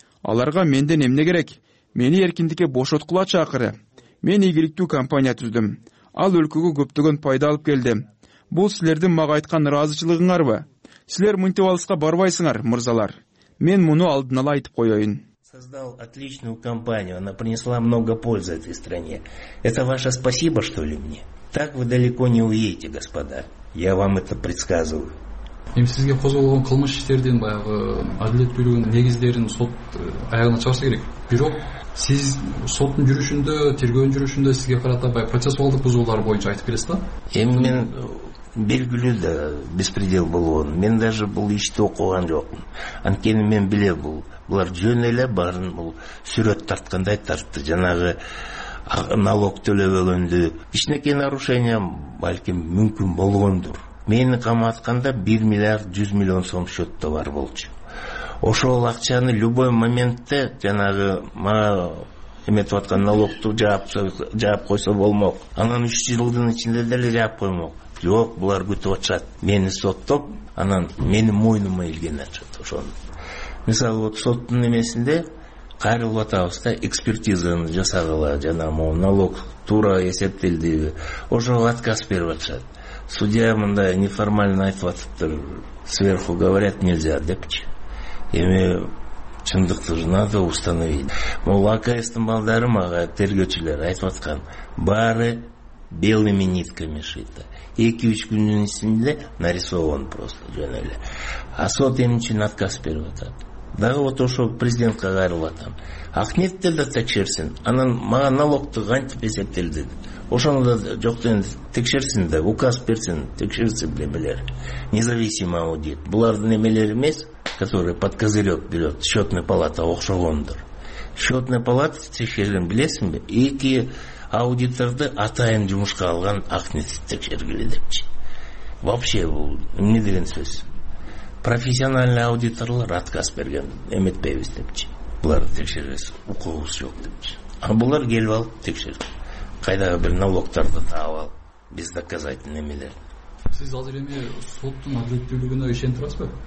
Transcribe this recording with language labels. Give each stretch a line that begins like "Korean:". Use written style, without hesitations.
Kyrgyz: Аларга менден эмне керек? Мени эркиндикке бошоткулачы акыры. Мен ийгиликтүү компания түздүм. Ал өлкөгө көптөгөн пайда алып келди. Бул силердин мага айткан ыраазычылыгыңарбы? Силер мынтип алыска барбайсыңар, мырзалар. Мен муну алдын ала айтып коеюн.
Russian: Создал отличную компанию, она принесла много пользы этой стране. Это ваше спасибо, что ли, мне? Так вы далеко не уедете, господа. Я вам это предсказываю.
Kyrgyz: Эми сизге козголгон кылмыш иштердин баягы адилеттүүлүгүн негиздерин сот аягына чыгарса керек. Бирок сиз соттун жүрүшүндө, тергөөнүн жүрүшүндө сизге карата баягы процессуалдык бузуулар боюнча айтып келесиз да? Эми мен белгилүү да беспредел болгон. Мен даже бул ишти окуган жокмун. Анткени мен билем бул. Булар жөн эле баарын бул сүрөт тарткандай тартты. Жанагы налог төлөбөгөндү. Кичинекей нарушение балким мүмкүн болгондур. Мени камакканда 1 млрд 100 млн сом счетто бар болчу. Ошол акчаны любой моментте жанагы мага эметип аткан налогду жаап койсо болмок. Анан 3 жылдын ичинде деле жаап коймок. Жок, булар күтүп атышат. Мени соттоп, анан менин мойнума илген атышат ошону. Мисалы вот соттун эмесинде кайрылып атабыз да, экспертизаны жасагыла, жана могу налог туура эсептелдиби, ошого отказ берип атышат. Судья мындай неформально айтып атыптыр,
Russian: сверху говорят нельзя
Kyrgyz: депчи. Эми чындыкты
Russian: надо установить.
Kyrgyz: Могу АКСтын балдары мага тергөөчүлөр айтып аткан, баары
Russian: белыми нитками шито.
Kyrgyz: 2-3 күндүн ичинде нарисован просто жөн эле. А сот эмне үчүн отказ берип атат? Дагы вот ошол президентке кайрылып атам. Акниетте да текшерсин, анан мага налогту кантип эсептелди? Ошону да жок деген текшерсин да, указ берсин, текшерсин деле билер.
Russian: Независимый аудит.
Kyrgyz: Булардын эмелери эмес,
Russian: которые под козырек берет, счетная палата окшогондор.
Kyrgyz: Счетная палата текшерген билесиңби? 2 аудиторду атайын жумушка алган акниетти текшергиле депчи. Вообще бул эмне деген сөз? Профессиональный аудиторлор отказ берген, эметпейбиз депчи. Буларды текшербейбиз, укугубуз жок депчи. А булар келип алып текшерген. Кайдагы бир налогторду таап алып, биз доказательный эмелер. Сиз азыр эми соттун адилеттүүлүгүнө ишенип турасызбы?